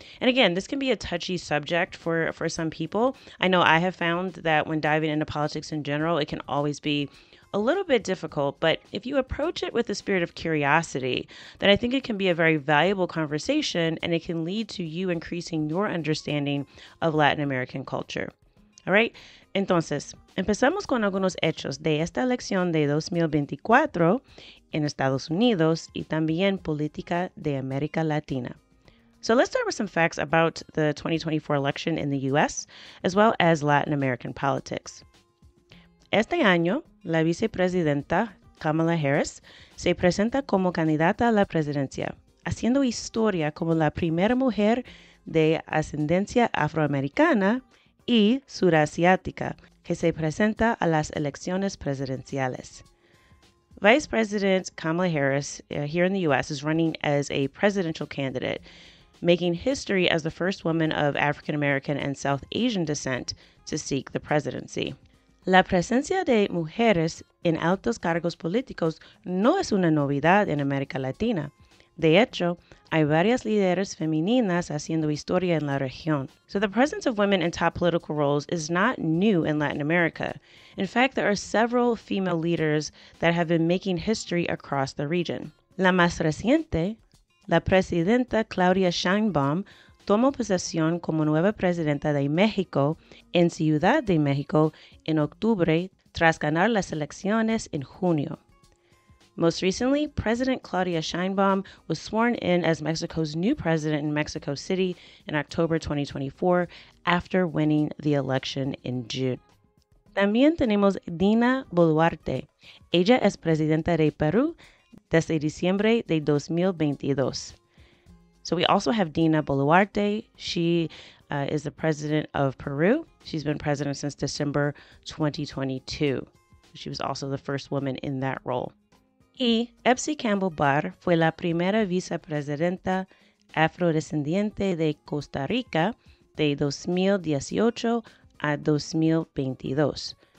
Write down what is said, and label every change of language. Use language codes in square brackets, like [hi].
[en] And again, this can be a touchy subject for some people. I know I have found that when diving into politics in general, it can always be a little bit difficult, but if you approach it with the spirit of curiosity, then I think it can be a very valuable conversation, and it can lead to you increasing your understanding of Latin American culture. [es] All right, entonces, empezamos con algunos hechos de esta elección de 2024 en Estados Unidos y también política de América Latina. [en] So let's start with some facts about the 2024 election in the U.S., as well as Latin American politics. [es] Este año, la vicepresidenta Kamala Harris se presenta como candidata a la presidencia, haciendo historia como la primera mujer de ascendencia afroamericana y surasiática que se presenta a las elecciones presidenciales. [en] Vice President Kamala Harris here in the U.S. is running as a presidential candidate, making history as the first woman of African-American and South Asian descent to seek the presidency. [es] La presencia de mujeres en altos cargos políticos no es una novedad en América Latina. De hecho, hay varias líderes femeninas haciendo historia en la región. [en] So the presence of women in top political roles is not new in Latin America. In fact, there are several female leaders that have been making history across the region. [es] La más reciente, la presidenta Claudia Sheinbaum, tomó posesión como nueva presidenta de México en Ciudad de México en octubre tras ganar las elecciones en junio. [en] Most recently, President Claudia Sheinbaum was sworn in as Mexico's new president in Mexico City in October 2024 after winning the election in June. [es] También tenemos Dina Boluarte. Ella es presidenta de Perú desde diciembre de 2022. [en] So we also have Dina Boluarte. She is the president of Peru. She's been president since December 2022. She was also the first woman in that role. [es] Y Epsi Campbell Barr fue la primera vicepresidenta afrodescendiente de Costa Rica de 2018 a 2022.